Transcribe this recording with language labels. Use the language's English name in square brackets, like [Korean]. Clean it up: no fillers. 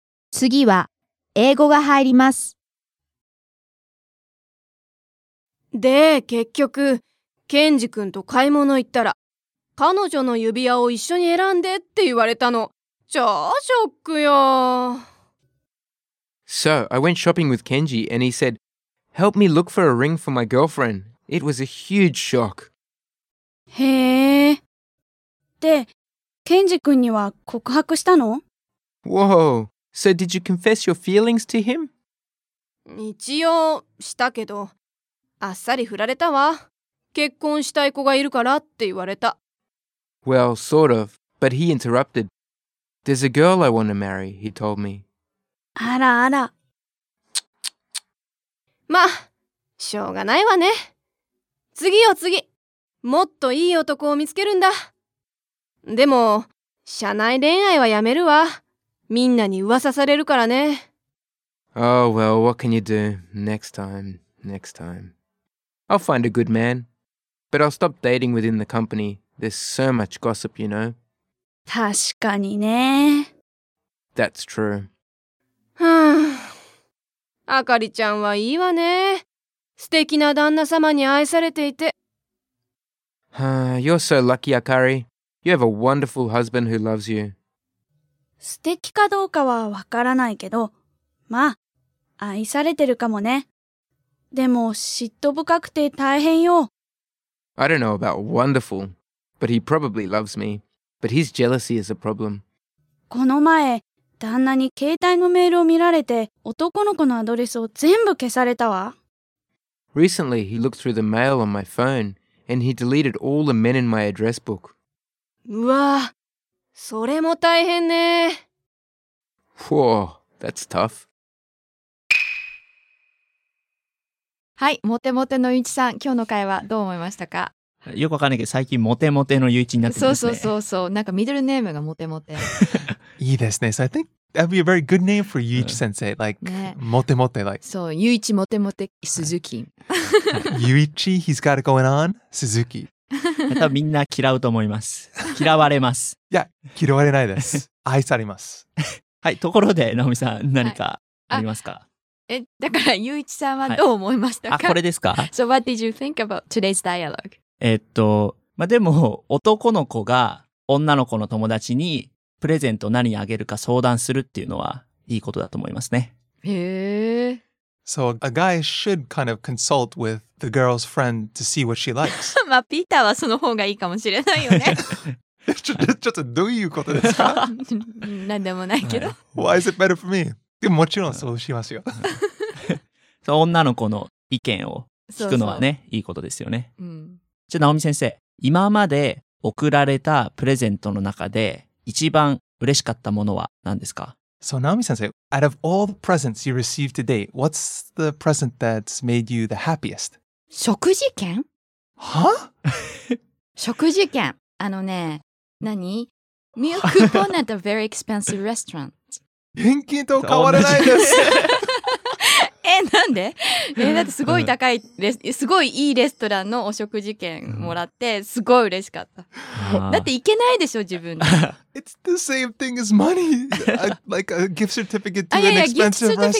[Japanese] 次は英語が入ります。で、結局、ケンジ君と買い物行ったら、彼女の指輪を一緒に選んでって言われたの。超ショックよ。 [English] So, I went shopping with Kenji and he said, help me look for a ring for my girlfriend. It was a huge shock. [Japanese] へえ。で、ケンジ君には告白したの？ [English] Whoa! So did you confess your feelings to him? [Japanese] 一応したけど、あっさり振られたわ。結婚したい子がいるからって言われた。 [English] Well, sort of, but he interrupted. There's a girl I want to marry, he told me. [Japanese] あらあら。まあ、しょうがないわね。次よ次。もっといい男を見つけるんだ。でも、社内恋愛はやめるわ。みんなに噂されるからね。 [English] Oh, well, what can you do? Next time, next time. I'll find a good man. But I'll stop dating within the company. There's so much gossip, you know. [Japanese] 確かにね。 [English] That's true. [Japanese] あかりちゃんはいいわね。素敵な旦那様に愛されていて。 [English] You're so lucky, Akari. You have a wonderful husband who loves you. [Japanese] 素敵かどうかはわからないけど、まあ、愛されてるかもね。でも、嫉妬深くて大変よ。 [English] I don't know about wonderful, but he probably loves me. But his jealousy is a problem. [Japanese] この前、旦那に携帯のメールを見られて、男の子のアドレスを全部消されたわ。 [English] Recently, he looked through the mail on my phone, and he deleted all the men in my address book. [Japanese] うわぁ、それも大変ね。 [English] Whoa, that's tough. [Japanese] はい、モテモテのゆういちさん、今日の会話どう思いましたか？よくわかんないけど、最近モテモテのゆういちになってますね。そう、なんかミドルネームがモテモテ。いいですね。 [English] So I think that'd be a very good name for Yuichi sensei. Like,、ね、モテモテ、like. そう、Yuichi モテモテ Suzuki. Yuichi, he's got it going on. Suzuki. [Japanese] 多分みんな嫌うと思います。嫌われます。いや、嫌われないです。愛されます。はい、ところで、ナオミさん、何かありますか？はい、だから、Yuichi さんはどう思いましたか？はい、あ、これですか？ [English] So what did you think about today's dialogue? [Japanese] まあ、でも、男の子が女の子の友達にプレゼント何あげるか相談するっていうのはいいことだと思いますね。へぇ。 [English] So a guy should kind of consult with the girl's friend to see what she likes. [Japanese] まあ、ピーターはその方がいいかもしれないよね。ちょっとどういうことですか？なんでもないけど。 [English] Why is it better for me? [Japanese] でももちろんそうしますよ。そう、女の子の意見を聞くのはね、いいことですよね。うん、じゃあ、直美先生、今まで送られたプレゼントの中で、一番嬉しかったものは何ですか？ [English] So Naomi 先生、out of all the presents you received to date, what's the present that's made you the happiest? [Japanese] 食事券？は？食事券。あのね、何？ミルクポン [English] at a very expensive restaurant. [Japanese] 現金と変わらないです。え、なんで？え、だってすごい高いすごいいいレストランのお食事券もらってすごい嬉しかった。だって行けないでしょ自分で。 [English] It's the same thing as money, like a gift certificate to an expensive restaurant.